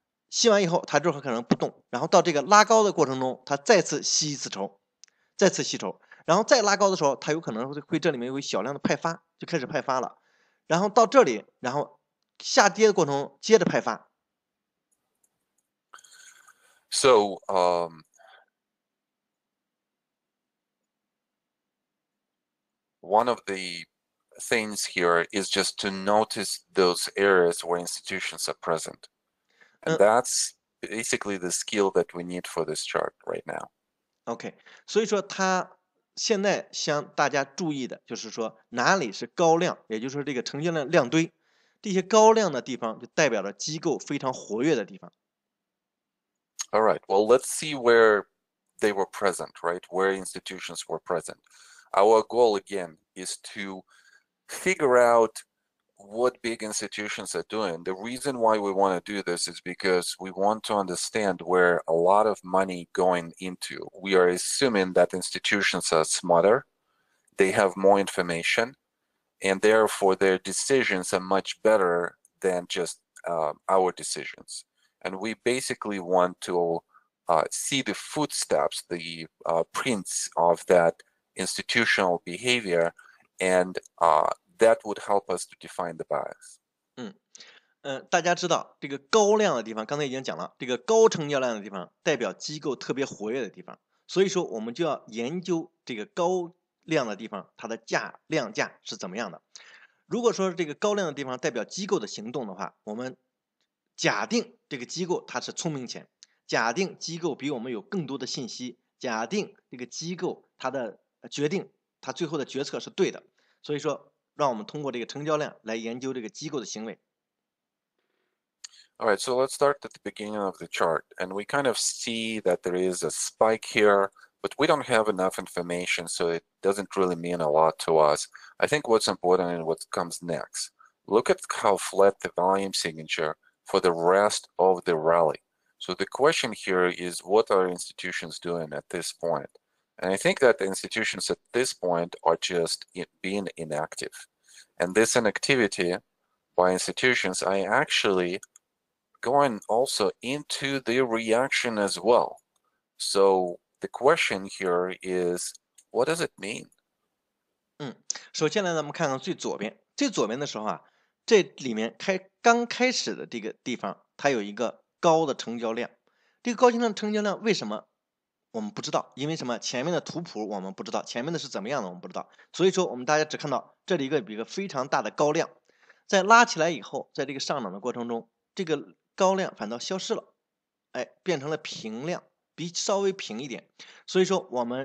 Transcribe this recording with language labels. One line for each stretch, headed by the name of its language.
Chinese: 吸完以后它这会可能不动，然后到这个拉高的过程中它再次吸一次筹，再次吸筹，然后再拉高的时候它有可能会这里面有小量的派发，就开始派发了，然后到这里然后下跌的过程中接着派发。
English: So, one of the things here is just to notice those areas where institutions are present. And that's basically the skill that we need for this chart right now.
Chinese: Okay, 所以说他现在向大家注意的就是说哪里是高量，也就是说这个成交量量堆，这些高量的地方就代表着机构非常活跃的地方。
English: All right, well, let's see where they were present, right? Where institutions were present. Our goal, again, is to figure out what big institutions are doing. The reason why we want to do this is because we want to understand where a lot of money going into. We are assuming that institutions are smarter, they have more information, and therefore their decisions are much better than just our decisions. And we basically want to see the footsteps, the prints of that institutional behavior, and that would help us to define the bias.
Chinese: 大家知道这个高量的地方，刚才已经讲了，这个高成交量的地方代表机构特别活跃的地方，所以说我们就要研究这个高量的地方它的价量价是怎么样的。如果说这个高量的地方代表机构的行动的话，我们假定这个机构它是聪明钱，假定机构比我们有更多的信息，假定这个机构它的决定，它最后的决策是对的，所以说让我们通过这个成交量来研究这个机构的行为。
English: All right, so let's start at the beginning of the chart, and we kind of see that there is a spike here, but we don't have enough information, so it doesn't really mean a lot to us. I think what's important is what comes next. Look at how flat the volume signature for the rest of the rally. So the question here is, what are institutions doing at this point? And I think that the institutions at this point are just being inactive. And this inactivity by institutions are actually going also into the reaction as well. So the question here is, what does it mean?
Chinese: 首先来咱们看看最左边，最左边的时候啊，这里面刚开始的这个地方它有一个高的成交量，这个高成交量为什么我们不知道，因为什么前面的图谱我们不知道，前面的是怎么样的我们不知道，所以说我们大家只看到这里一个非常大的高量，在拉起来以后在这个上涨的过程中这个高量反倒消失了，哎，变成了平量，比稍微平一点，所以说我